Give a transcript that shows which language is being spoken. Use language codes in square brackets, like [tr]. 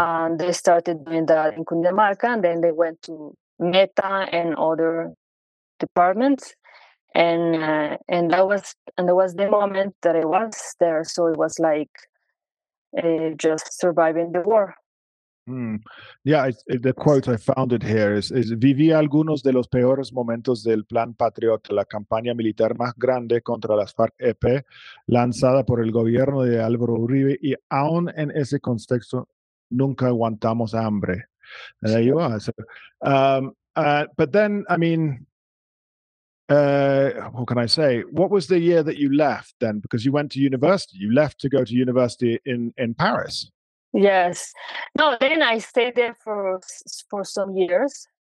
[en] And they started doing that in Cundinamarca, and then they went to Meta and other departments. And that was the moment that I was there. So it was like, just surviving the war. Mm. Yeah, the quote I found it here is [es] "Viví algunos de los peores momentos del Plan Patriota, la campaña militar más grande contra las FARC-EP lanzada por el gobierno de Álvaro Uribe, y aún en ese contexto nunca aguantamos hambre." [en] And there you are. So, but then, I mean, what can I say? What was the year that you left then? Because you went to university. You left to go to university in Paris. Yes. No, then I stayed there for some years.